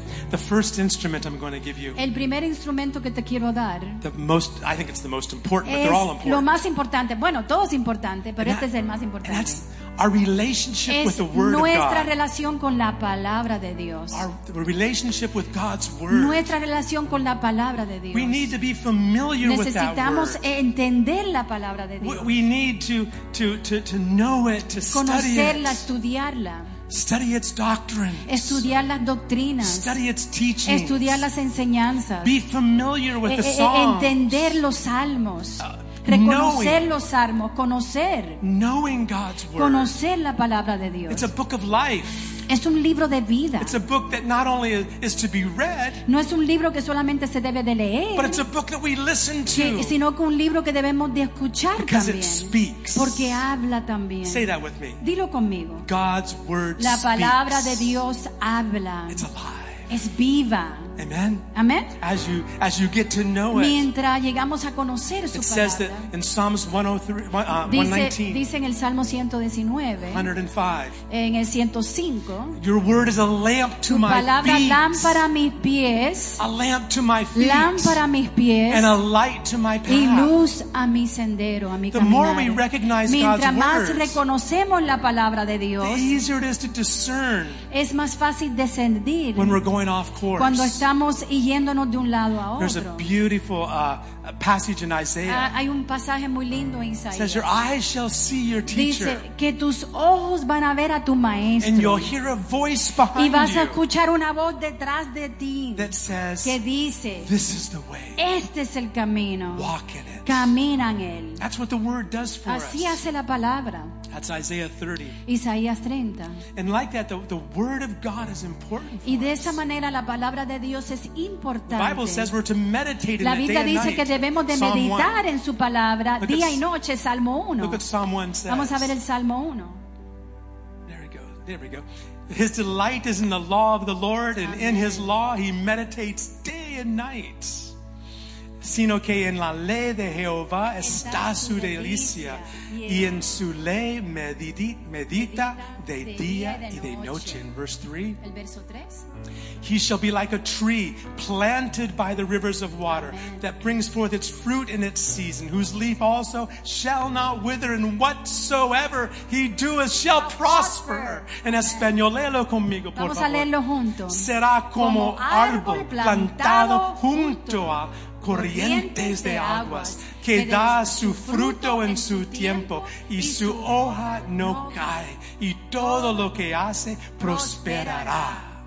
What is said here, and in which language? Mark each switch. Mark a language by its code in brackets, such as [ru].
[en] The first instrument I'm going to give you. [es] El primer instrumento que te quiero dar. [en] The most, I think it's the most important, but they're all important. [es] Lo más importante. Bueno, todo es importante, pero este es el más importante. [en] And that's our relationship [es] es [en] with the Word of God. [es] Nuestra relación con la palabra de Dios. [en] Our relationship with God's Word. [es] Nuestra relación con la palabra de Dios. [en] We need to be familiar with that word. [es] Necesitamos entender la palabra de Dios. [en] We need to know it, to study it. [es] Conocerla, estudiarla. [en] Study its doctrines. [es] Estudiar las doctrinas. [en] Study its teachings. [es] Estudiar las enseñanzas. [en] Be familiar with the songs. [es] Entender los salmos. Reconocer los salmos. Conocer. [en] Knowing God's word. [es] Conocer la palabra de Dios. [en] It's a book of life. [es] Es un libro de vida. [en] It's a book that not only is to be read. [es] No es un libro que solamente se debe de leer. [en] But it's a book that we listen to. [es] Sino que un libro que debemos de escuchar [en] because [es] también. [en] Because it speaks. [es] Porque habla también. [en] Say that with me. [es] Dilo conmigo. [en] God's word speaks. [es] La palabra [en] speaks. [es] De Dios habla. [en] It's alive. [es] Es viva. [en] Amen. [es] Amen. [en] As you get to know it. [es] Mientras llegamos a conocer su palabra. [en] It says that in Psalms 119. [es] Dice en el Salmo 119. [en] 105. [es] En el 105. [en] Your word is a lamp to my feet. [es] Tu palabra lámpara a mis pies. [en] A lamp to my feet. [es] Lámpara a mis pies. [en] And a light to my path. [es] Y luz a mi sendero, a mi caminar. [en] The more we recognize God's word. [es] Mientras más reconocemos la palabra de Dios. [en] The easier it is to discern. [es] Es más fácil discernir. [en] When we're going off course. [es] Cuando estamos yéndonos de un lado a otro. [en] There's a beautiful passage in Isaiah. [es] Hay un pasaje muy lindo en Isaías. [en] It says, "Your eyes shall see your teacher." [es] Dice que tus ojos van a ver a tu maestro. [en] And you'll hear a voice behind you. [es] Y vas a escuchar una voz detrás de ti. [en] That says, [es] que dice, [en] "This is the way." [es] Este es el camino. [en] Walk in it. [es] Camina en él. [en] That's what the word does for [es] así Así hace la palabra. [en] That's Isaiah 30. [es] Isaías 30. [en] And like that, the word of God is important. [es] Y de esa manera la palabra de Dios es importante. [en] The Bible says we're to meditate in [es] la Biblia [en] it day [es] dice [en] and night. [es] Que debemos de meditar en su palabra [en] look [es] día [en] at, [es] y noche. Salmo 1. [en] Look at Psalm 1 says. [es] Vamos a ver el Salmo 1. [en] There we go. There we go. His delight is in the law of the Lord, and in his law he meditates day. and night, [es] sino que en la ley de Jehová está su delicia, y en su ley medita de día y de noche. [en] In verse 3, he shall be like a tree planted by the rivers of water that brings forth its fruit in its season, whose leaf also shall not wither, and whatsoever he doeth shall prosper. [es] En español, léelo conmigo, por favor. Vamos a leerlo juntos. Será como árbol plantado junto a corrientes de aguas, que da su fruto en su tiempo, y su hoja no cae, y todo lo que hace prosperará.